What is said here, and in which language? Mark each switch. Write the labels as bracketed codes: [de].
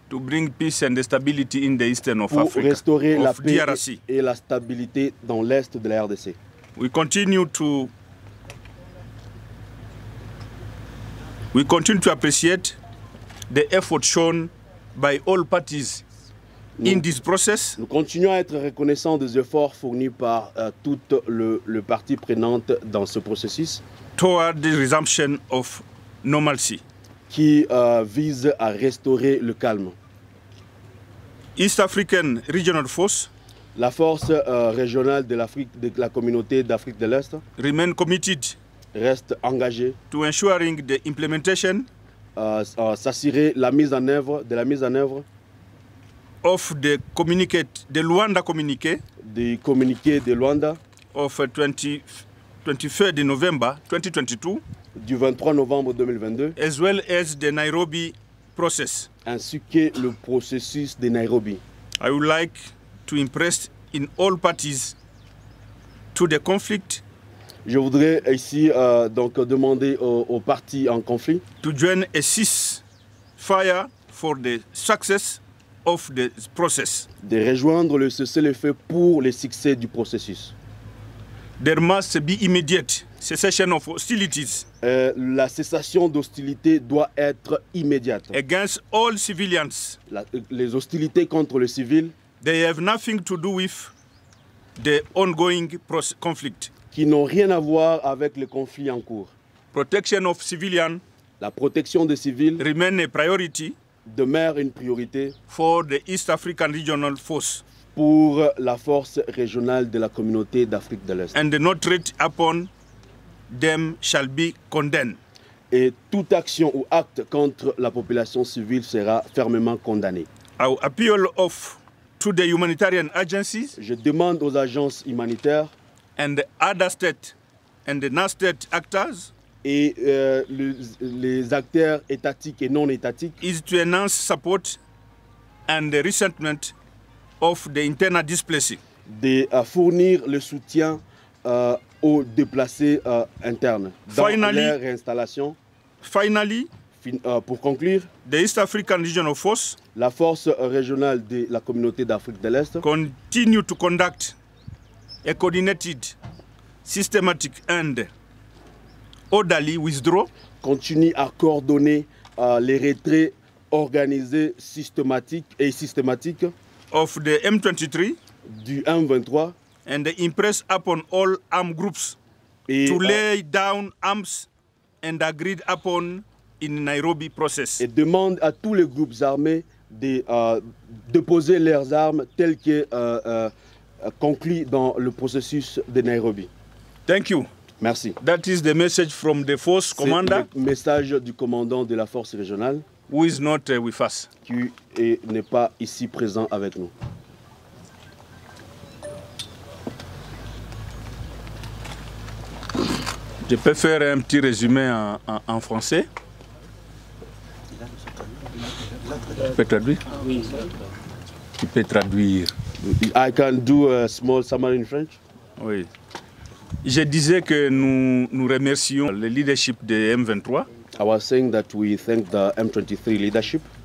[en] to bring peace and stability in the eastern of [fr] pour [en] Africa, [fr] restaurer la paix DRC. Et la stabilité dans l'est de la RDC. [en] We continue to appreciate the effort shown by all parties in this process. [fr] Nous continuons à être reconnaissants des efforts fournis par toutes les parties prenantes dans ce processus [en] toward the resumption of normalcy. [fr] Qui vise à restaurer le calme. [en] East African Regional Force, [fr] la force régionale de l'Afrique, de la communauté d'Afrique de l'Est, [en] remain committed, [fr] reste engagée, [en] to ensuring the implementation, [fr] s'assurer la mise en œuvre de la mise en œuvre, [en] of the communiqué, the Luanda communiqué, [fr] du communiqué de Luanda, [en] of 23 November 2022. [fr] Du 23 novembre 2022, [en] as well as the Nairobi process, [fr] ainsi que le processus de Nairobi. [en] I would like to impress in all parties to the conflict. [fr] Je voudrais ici donc demander aux parties en conflit [en] to join a ceasefire for the success of the process. [fr] De rejoindre le cessez-le-feu pour le succès du processus. [en] There must be immediate cessation of hostilities. [fr] La cessation d'hostilités doit être immédiate. [en] Against all civilians. [fr] Les hostilités contre les civils. [en] They have nothing to do with the ongoing conflict. [fr] Qui n'ont rien à voir avec le conflit en cours. [en] Protection of civilians. [fr] La protection des civils. [en] Remain a priority. [fr] Demeure une priorité. [en] For the East African Regional Force. [fr] Pour la force régionale de la communauté d'Afrique de l'Est. [en] And no threat upon them shall be condemned. [fr] Et toute action ou acte contre la population civile sera fermement condamnée. [en] Our appeal of to the humanitarian agencies. [fr] Je demande aux agences humanitaires. [en] And other state and the non-state actors. [fr] Et les acteurs étatiques et non étatiques. [en] Is to announce support and the resentment. Of the internal displacing. [fr] De fournir le soutien aux déplacés internes dans [en] finally, [fr] leur réinstallation. [en] Finally, [fr] pour conclure, [en] the East African Regional Force, [fr] la force régionale de la communauté d'Afrique de l'Est, [en] continue to conduct a coordinated, systematic and orderly withdrawal. [fr] Continue à coordonner les retraits organisés systématiques et systématiques. [en] Of the M23, [fr] du M23, [en] and they impress upon all armed groups to lay down arms and agreed upon in Nairobi process. [fr] Et demande à tous les groupes armés de déposer leurs armes telles que conclues dans le processus de Nairobi. [en] Thank you. [fr] Merci. [en] That is the message from the force commander. [fr] C'est le message du commandant de la force régionale. [en] Who is not with us? [fr] Qui n'est pas ici présent avec nous. Je peux faire un petit résumé en français. Tu peux traduire? Oui. Tu peux traduire. [en] I can do a small summary in French. [fr] Oui. Je disais que nous remercions le leadership de M23. [en] I was saying that we thank the M23 leadership